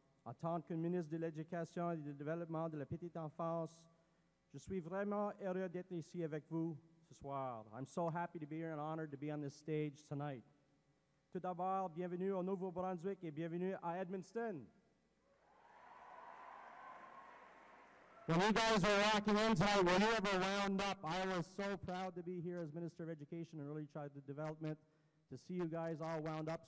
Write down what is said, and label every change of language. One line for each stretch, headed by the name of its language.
French: En tant que ministre de l'Éducation et du Développement de la Petite Enfance, je suis vraiment heureux d'être ici avec vous ce soir.
English: I'm so happy to be here and honored to be on this stage tonight.
French: Tout d'abord, bienvenue au Nouveau-Brunswick et bienvenue à Edmundston.
English: When you guys were walking in tonight, when you ever wound up, I was so proud to be here as Minister of Education and Early Childhood Development to see you guys all wound up.